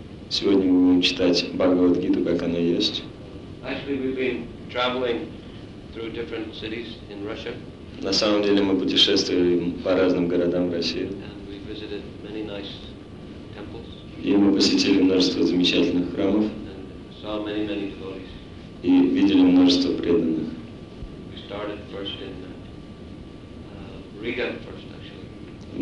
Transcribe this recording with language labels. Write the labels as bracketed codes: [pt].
[ru] сегодня мы будем читать Бхагавад-гиту, как она есть. [en] Actually, we've been traveling through different cities in Russia. [ru] На самом деле мы путешествуем по разным городам России. [en] And we visited many nice temples. [ru] И мы посетили множество замечательных храмов. [en] And saw many, many devotees. [ru] И видели множество преданных. [en] We started first in Riga first, actually.